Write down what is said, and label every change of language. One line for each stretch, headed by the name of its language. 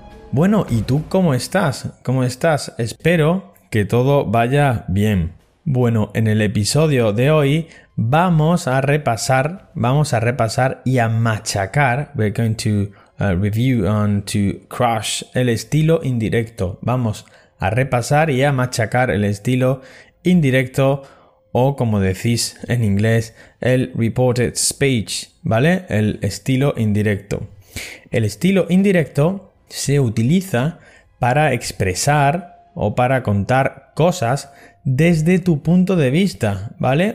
Spanish: Bueno, ¿y tú cómo estás? ¿Cómo estás? Espero que todo vaya bien. Bueno, en el episodio de hoy vamos a repasar y a machacar.
English: We're going to review and to crush
Spanish: el estilo indirecto. Vamos a repasar y a machacar el estilo indirecto, o como decís en inglés, el reported speech, ¿vale? El estilo indirecto. El estilo indirecto se utiliza para expresar o para contar cosas desde tu punto de vista, ¿vale?